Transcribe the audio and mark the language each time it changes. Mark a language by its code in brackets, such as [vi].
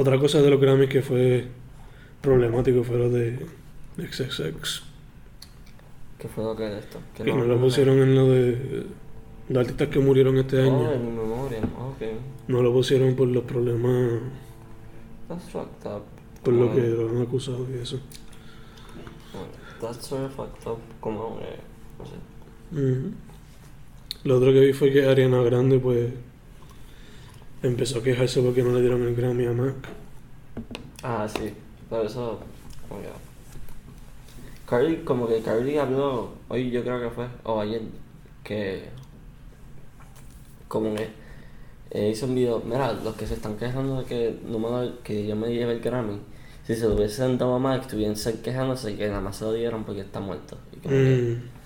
[es] Otra cosa de los Grammy que fue problemático fue lo de XXX. ¿Qué fue lo que es esto? Que no lo pusieron en lo de... los artistas que murieron este año. Oh, en memoria, ok. No lo pusieron por los problemas... [en] That's fucked up. [es] Por lo que lo han acusado y eso. [en] That's sort of fucked up, como... [es] no sé. Lo otro que vi fue que Ariana Grande, pues... empezó a quejarse porque no le dieron el Grammy a Mac. Ah, sí. Pero eso... Cardi, como que Cardi habló hoy, yo creo que fue, o ayer, que como que hizo un video, mira, los que se están quejando de que no me, que yo me lleve el Grammy, si se lo hubiesen dado a Mac, estuviesen quejándose que nada más se lo dieron porque está muerto. Y como que,